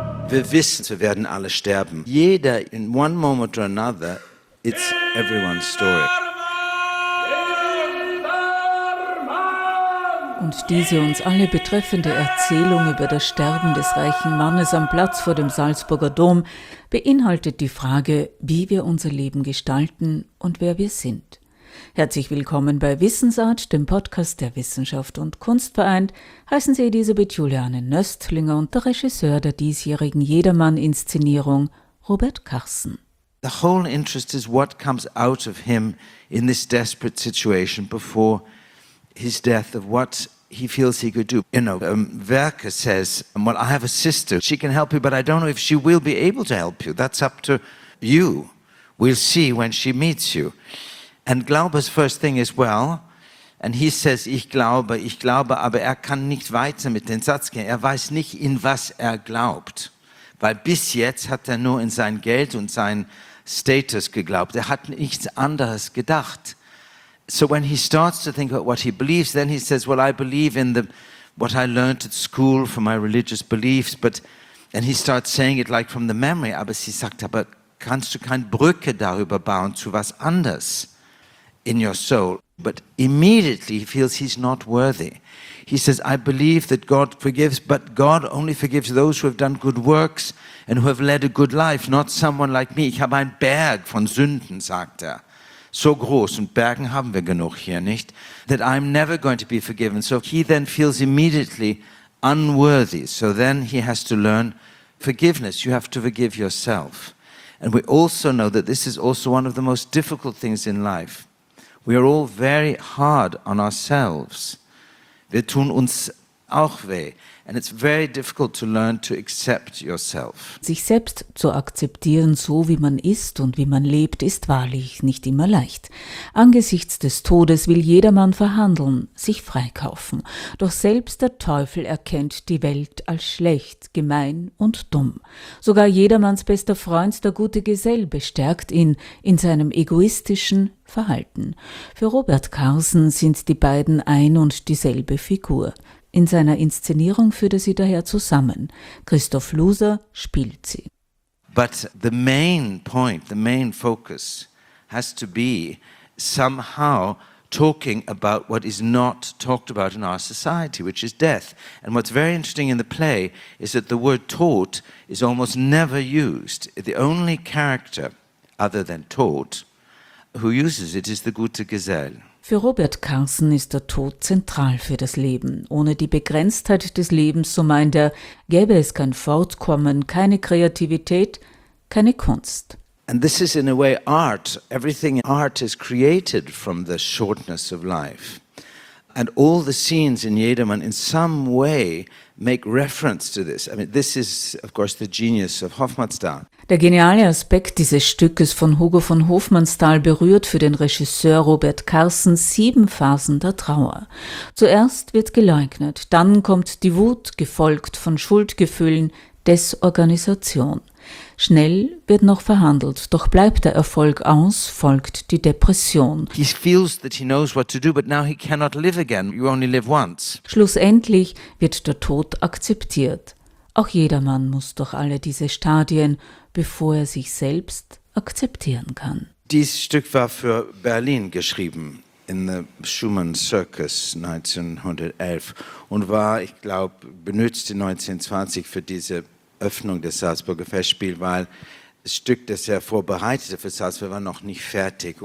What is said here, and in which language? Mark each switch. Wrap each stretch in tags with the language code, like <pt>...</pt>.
<de>Wir wissen, wir werden alle sterben. Jeder,</de> <en>in one moment or another, it's everyone's story.</en> <de>Und diese uns alle betreffende Erzählung über das Sterben des reichen Mannes am Platz vor dem Salzburger Dom beinhaltet die Frage, wie wir unser Leben gestalten und wer wir sind. Herzlich willkommen bei Wissensart, dem Podcast der Wissenschaft und Kunst vereint. Heißen Sie Elisabeth Juliane Nöstlinger und der Regisseur der diesjährigen Jedermann-Inszenierung Robert Carson.</de> <en>The whole interest is what comes out of him in this desperate situation before his death, of what he feels he could do. You know, Werke says, well, I have a sister, she can help you, but I don't know if she will be able to help you. That's up to you. We'll see when she meets you. And Glauber's first thing is, well, and he says,</en> <de>ich glaube, aber er kann nicht weiter mit dem Satz gehen. Er weiß nicht, in was er glaubt. Weil bis jetzt hat er nur in sein Geld und sein Status geglaubt. Er hat nichts anderes gedacht.</de> <en>So when he starts to think about what he believes, then he says, well, I believe in the what I learned at school from my religious beliefs, but, and he starts saying it like from the memory,</en> <de>aber sie sagt, aber kannst du keine Brücke darüber bauen zu was anders</de> <en>in your soul? But immediately he feels he's not worthy. He says, I believe that God forgives, but God only forgives those who have done good works and who have led a good life, not someone like me.</en> <de>Ich habe einen Berg von Sünden, sagt er. So groß, und Bergen haben wir genug hier, nicht?</de> <en>That I'm never going to be forgiven. So he then feels immediately unworthy. So then he has to learn forgiveness. You have to forgive yourself. And we also know that this is also one of the most difficult things in life. We are all very hard on ourselves.</en> <de>Wir tun uns auch weh.</de> <en>And it's very difficult to learn to accept yourself.</en> <de>Sich selbst zu akzeptieren, so wie man ist und wie man lebt, ist wahrlich nicht immer leicht. Angesichts des Todes will jedermann verhandeln, sich freikaufen. Doch selbst der Teufel erkennt die Welt als schlecht, gemein und dumm. Sogar jedermanns bester Freund, der gute Gesell, bestärkt ihn in seinem egoistischen Verhalten. Für Robert Carson sind die beiden ein und dieselbe Figur. In seiner Inszenierung führt er sie daher zusammen. Christoph Loser spielt sie.</de> <en>But the main point, the main focus has to be somehow talking about what is not talked about in our society, which is death. And what's very interesting in the play is that the word Tod is almost never used. The only character other than Tod who uses it is the gute Gesell. Für Robert Carson ist der Tod zentral für das Leben. Ohne die Begrenztheit des Lebens, so meint er, gäbe es kein Fortkommen, keine Kreativität, keine Kunst. And this is in a way art. Everything in art is created from the shortness of life. And all the scenes in Jedermann in some way make reference to this. I mean, this is, of course, the genius of Hofmannsthal.</en> <de>Der geniale Aspekt dieses Stückes von Hugo von Hofmannsthal berührt für den Regisseur Robert Carson 7 Phasen der Trauer. Zuerst wird geleugnet, dann kommt die Wut, gefolgt von Schuldgefühlen, Desorganisation. Schnell wird noch verhandelt, doch bleibt der Erfolg aus, folgt die Depression.</de> <en>He feels that he knows what to do, but now he cannot live again. You only live once.</en> <de>Schlussendlich wird der Tod akzeptiert. Auch jedermann muss durch alle diese Stadien, bevor er sich selbst akzeptieren kann. Dieses Stück war für Berlin geschrieben,</de> <en>in the Schumann Circus 1911,</en> <de>und war, ich glaube, benutzt in 1920 für diese Öffnung des Salzburger Festspiels, weil das Stück, das er vorbereitete für Salzburg, war noch nicht fertig.</de>